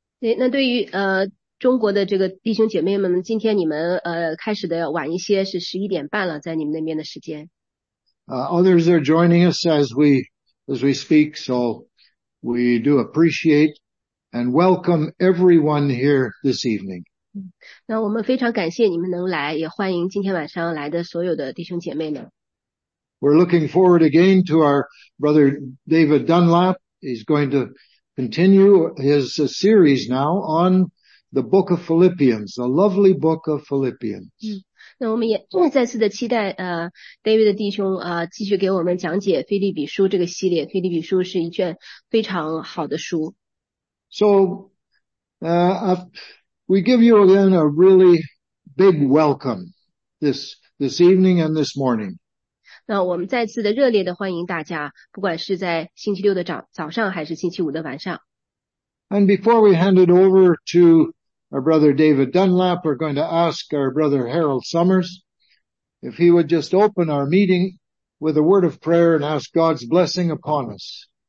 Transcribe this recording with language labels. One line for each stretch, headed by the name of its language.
Chinese: 对，那对于中国的这个弟兄姐妹们，今天你们开始的要晚一些，是11点半了，在你们那边的时间。
English: Others are joining us as we speak, so we do appreciate and welcome everyone here this evening.
Chinese: 那我们非常感谢你们能来，也欢迎今天晚上来的所有的弟兄姐妹们。
English: We're looking forward again to our brother David Dunlap. He's going to continue his series now on the book of Philippians, the lovely book of Philippians.
Chinese: 那我们也再次的期待David 的弟兄继续给我们讲解腓立比书这个系列。腓立比书是一卷非常好的书。
English: So, we give you again a really big welcome this evening and this morning.
Chinese: 那我们再次的热烈的欢迎大家，不管是在星期六的早上还是星期五的晚上。
English: And before we hand it over to our brother David Dunlap, we're going to ask our brother Harold Summers if he would just open our meeting with a word of prayer and ask God's blessing upon us.